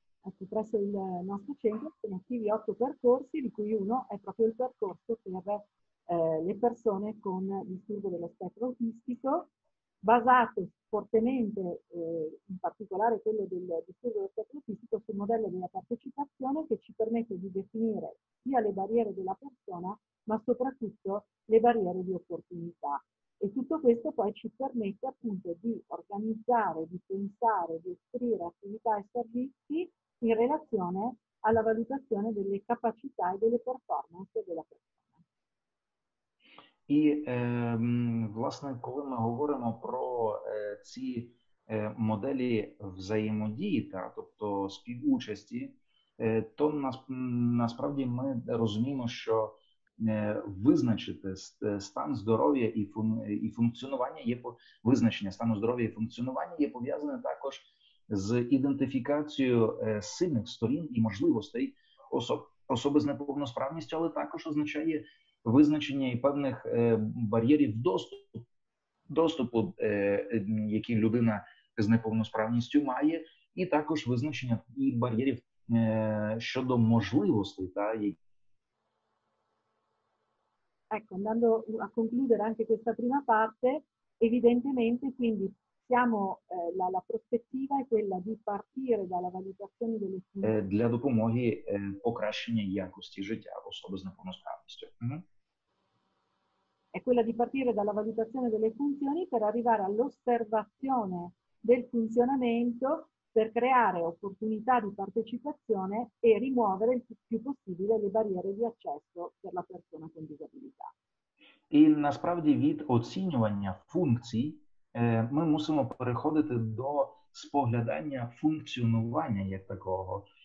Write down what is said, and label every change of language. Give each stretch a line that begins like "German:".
Italian: Ecco, presso il nostro centro sono attivi 8 percorsi, di cui uno è proprio il percorso per le persone con disturbo dello spettro autistico, basato fortemente, in particolare quello del disturbo dello spettro autistico, sul modello della partecipazione, che ci permette di definire sia le barriere della persona, ma soprattutto le barriere di opportunità. E tutto questo poi ci permette appunto di organizzare, di pensare, di offrire attività e servizi in relazione alla valutazione delle capacità e delle performance della persona.
Ukrainian: І, власне, коли ми говоримо про ці моделі взаємодії, та, тобто співучасті, то насправді ми розуміємо, що визначити стан здоров'я і функціонування є визначення стану здоров'я і функціонування є пов'язане також з ідентифікацією сильних сторін і можливостей особи з неповносправністю, але також означає визначення і певних бар'єрів доступу, які людина з неповносправністю має, і також визначення і бар'єрів щодо можливостей, та які.
Italian: Ecco, andando a concludere anche questa prima parte, evidentemente quindi siamo la prospettiva è quella di partire dalla valutazione delle funzioni.
Ukrainian: Для допомоги покращення якості життя особи з неповносправністю.
Italian: È quella di partire dalla valutazione delle funzioni per arrivare all'osservazione del funzionamento per creare opportunità di partecipazione e rimuovere il più possibile le barriere di accesso per la persona con disabilità.
Ukrainian: І насправді від оцінювання функцій ми мусимо переходити до споглядання функціонування як такого.